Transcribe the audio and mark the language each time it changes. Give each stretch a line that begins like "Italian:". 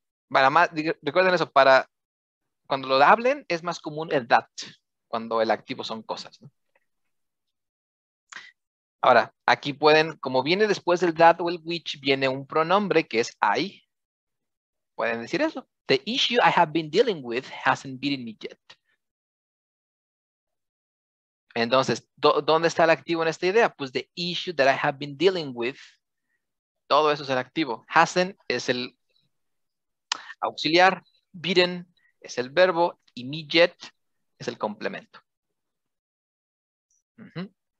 Spanish: Para más, recuerden eso, para. Cuando lo hablen, es más común el that, cuando el activo son cosas, ¿no? Ahora, aquí pueden, como viene después del that o el which, viene un pronombre que es I. Pueden decir eso.
English: The issue I have been dealing with hasn't beaten me yet.
Spanish: Entonces, ¿dónde está el activo en esta idea? Pues
English: the issue that I have been dealing with,
Spanish: todo eso es el activo. Hasn't es el auxiliar, beaten es el verbo, y me yet es el complemento. Uh-huh.